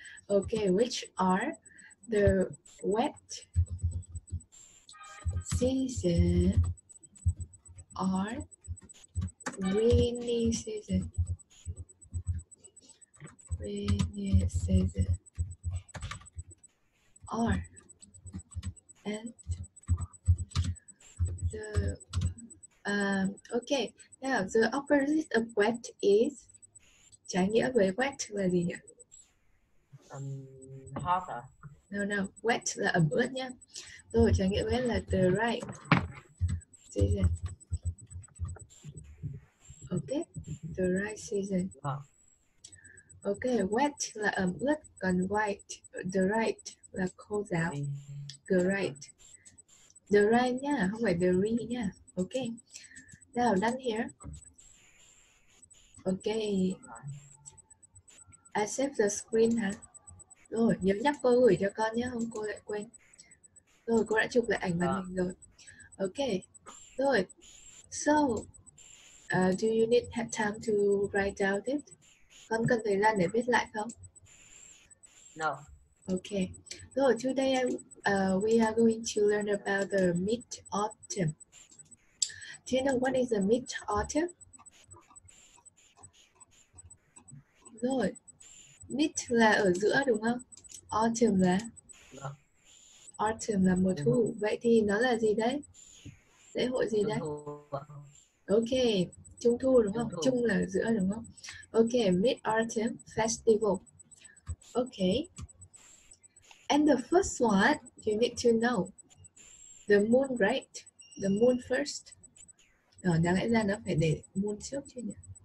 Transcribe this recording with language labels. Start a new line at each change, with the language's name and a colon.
English: Okay, which are the wet season or rainy season? Rainy season or and the okay, now the opposite of wet is,
Vietnamese: trái nghĩa với wet là gì nhỉ?
English: Hot.
Vietnamese: No, no, wet là ẩm ướt nhá. Rồi, trái nghĩa với là dry. Season.
English: Okay, dry season. Okay, wet
Vietnamese: là ẩm ướt, còn
English: white, dry
Vietnamese: là khô ráo.
English: Dry.
Vietnamese: Dry nhá, không phải dry nhá.
English: Okay. Now, done here. Okay. I save the screen, huh?
Vietnamese: Rồi, nhớ nhắc cô gửi cho con nhé, không cô lại quên. Rồi, cô đã chụp lại ảnh màn hình rồi. Okay. Rồi.
English: So, do you need have time to write down it?
Vietnamese: Con cần thời gian để viết lại không?
English: No. Okay. Rồi, today we are going to learn about the mid-autumn. Do you know what is the mid-autumn?
Vietnamese: Rồi, mid là ở giữa đúng không? Autumn là?
English: No.
Vietnamese: Autumn là mùa thu. Vậy thì nó là gì đấy? Lễ hội gì đấy? Ok, trung thu đúng không? Trung là ở giữa đúng không?
English: Ok, mid-autumn festival. Ok. And the first one you need to know. The moon, right? The moon first.
Vietnamese: Đó, đáng lẽ ra nó phải để moon trước chứ nhỉ?